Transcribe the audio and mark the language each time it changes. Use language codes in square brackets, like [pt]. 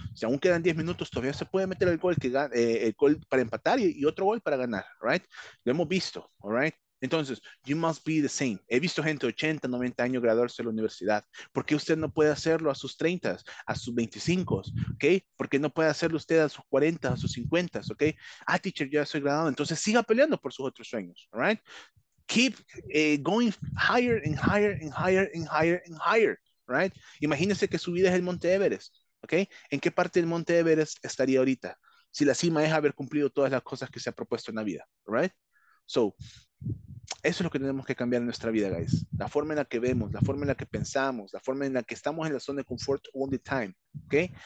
[es] Si aún quedan 10 minutos, todavía se puede meter el gol para empatar y otro gol para ganar, right? Lo hemos visto, all right? Entonces, [en] you must be the same. [es] He visto gente de 80, 90 años graduarse de la universidad. ¿Por qué usted no puede hacerlo a sus 30, a sus 25? ¿Okay? ¿Por qué no puede hacerlo usted a sus 40, a sus 50? ¿Okay? Ah, teacher, yo ya soy graduado. Entonces, siga peleando por sus otros sueños. All right? [en] Keep going higher and higher and higher and higher and higher. [es] Right? Imagínese que su vida es el Monte Everest. ¿Okay? ¿En qué parte del Monte Everest estaría ahorita? Si la cima es haber cumplido todas las cosas que se ha propuesto en la vida. Right? So, eso es lo que tenemos que cambiar en nuestra vida, guys. La forma en la que vemos, la forma en la que pensamos, la forma en la que estamos en la zona de confort [en] all the time, [es] ¿ok?